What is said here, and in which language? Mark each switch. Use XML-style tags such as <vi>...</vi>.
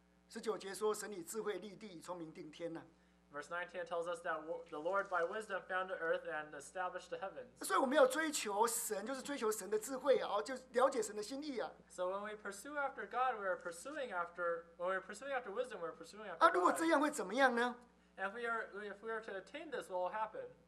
<zh>19节说神以智慧立地，聪明定天呢。</zh> <en>Verse 19 tells us that the Lord by wisdom found the earth and established the heavens.</en> <zh>所以我们要追求神，就是追求神的智慧啊，就了解神的心意啊。</zh> <en>So when we pursue after God, we are pursuing after. When we are pursuing after wisdom, we are pursuing after God.</en> <zh>如果这样会怎么样呢？</zh> <en>And if we are to attain this, what will happen?</en>